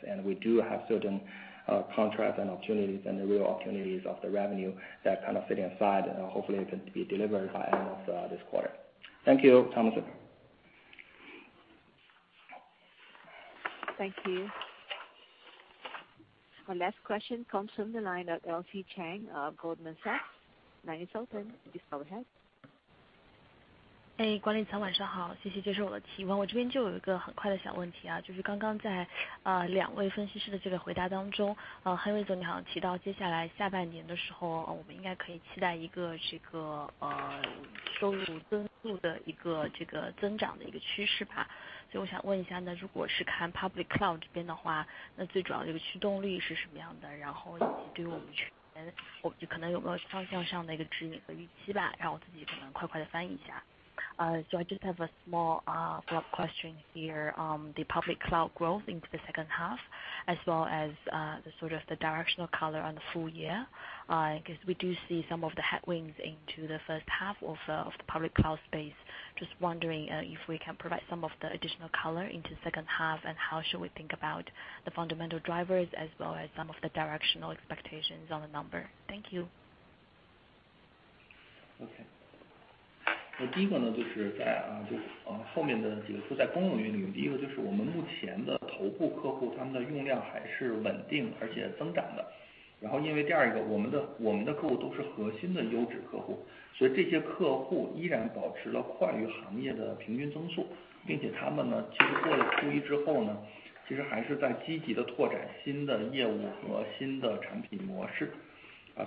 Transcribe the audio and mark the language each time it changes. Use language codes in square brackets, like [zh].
[en] And we do have certain contracts and opportunities and the real opportunities of the revenue that kind of sitting aside and hopefully it can be delivered by end of this quarter. Thank you, Thomas. Thank you. Our last question comes from the line of Elsie Chang of Goldman Sachs. Line is open. Please go ahead. [zh] 哎，管理层晚上好，谢谢接受我的提问。我这边就有一个很快的小问题啊，就是刚刚在两位分析师的这个回答当中，Henry 总你好像提到接下来下半年的时候，我们应该可以期待一个这个收入增速的一个这个增长的一个趋势吧。所以我想问一下呢，如果是看 Public Cloud 这边的话，那最主要的一个驱动力是什么样的？然后以及对于我们全年，我们就可能有没有方向上的一个指引和预期吧？然后我自己可能快快的翻译一下。 [en] So I just have a small follow-up question here on the public cloud growth into the second half, as well as the sort of the directional color on the full year, because we do see some of the headwinds into the first half of the public cloud space. Just wondering if we can provide some of the additional color into the second half, and how should we think about the fundamental drivers as well as some of the directional expectations on the number. Thank you. Okay. [zh] 那第一个呢，就是在后面的几个说在公用云领域，第一个就是我们目前的头部客户他们的用量还是稳定而且增长的。然后因为第二个，我们的客户都是核心的优质客户，所以这些客户依然保持了快于行业的平均增速，并且他们呢，其实过了Q1之后呢，其实还是在积极的拓展新的业务和新的产品模式啊。